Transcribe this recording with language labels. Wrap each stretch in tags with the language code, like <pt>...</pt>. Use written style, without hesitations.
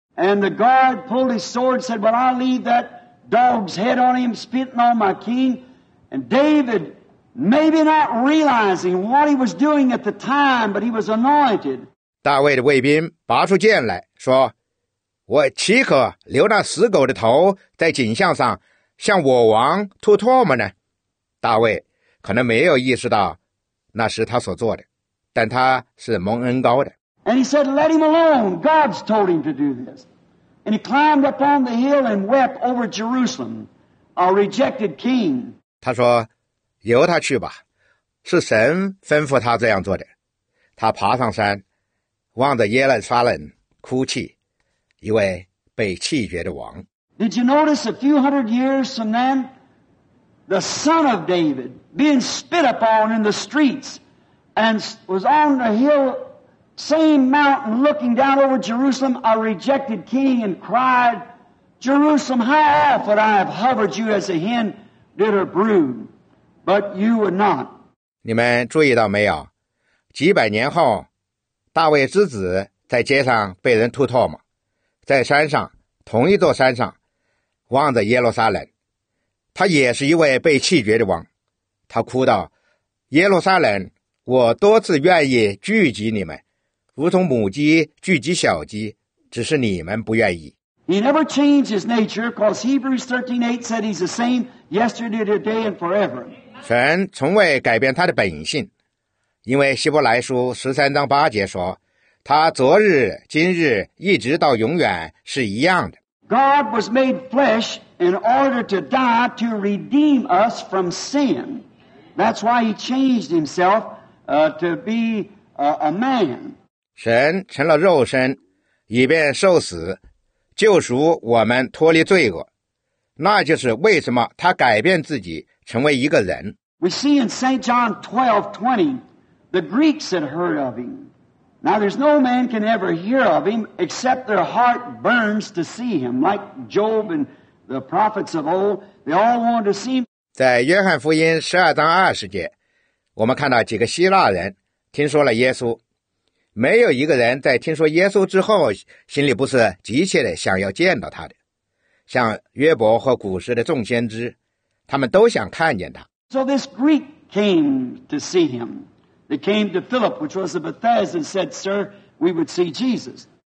<en>And the guard pulled his sword, said, "Well, I'll leave that dog's head on him, spitting on my king." And David, maybe not realizing what he was doing at the time, but he was anointed.</en> <zh>大卫的卫兵拔出剑来说：“我岂可留那死狗的头在颈项上，向我王吐唾沫呢？” 大卫可能没有意识到那是他所做的，但他是蒙恩膏的。</zh> <en>And he said, "Let him alone. God's told him to do this." And he climbed up on the hill and wept over Jerusalem, a rejected king.</en> <zh>他说：“由他去吧，是神吩咐他这样做的。” 他爬上山，望着耶路撒冷哭泣，一位被弃绝的王。</zh> <en>Did you notice a few hundred years from then, the son of David being spit upon in the streets and was on the hill? Same mountain looking down over Jerusalem, a rejected king, and cried, Jerusalem, how often I have hovered you as a hen did her brood, but you would not.</en> <zh>你们注意到没有？几百年后，大卫之子在街上被人吐唾沫，在山上，同一座山上，望着耶路撒冷，他也是一位被弃绝的王，他哭道，耶路撒冷，我多次愿意聚集你们。如同母鸡聚集小鸡，只是你们不愿意。</zh> <en>He never changed his nature, because Hebrews 13:8 said he's the same yesterday, today, and forever.</en> <zh>神从未改变他的本性，因为希伯来书13:8说，他昨日、今日、一直到永远是一样的。</zh> <en>God was made flesh in order to die to redeem us from sin. That's why he changed himself, to be a man.</en> <zh>神成了肉身，以便受死，救赎我们脱离罪恶。那就是为什么他改变自己成为一个人。</zh> <en>We see in St. John 12:20, the Greeks had heard of him. Now there's no man can ever hear of him except their heart burns to see him. Like Job and the prophets of old, they all wanted to see him.</en> <zh>在约翰福音12:20，我们看到几个希腊人听说了耶稣。没有一个人在听说耶稣之后，心里不是急切的想要见到他的。像约伯和古时的众先知，他们都想看见他。</zh> <en>So this Greek came to see him. They came to Philip, which was a Bethesda, and said, "Sir, we would see Jesus."</en>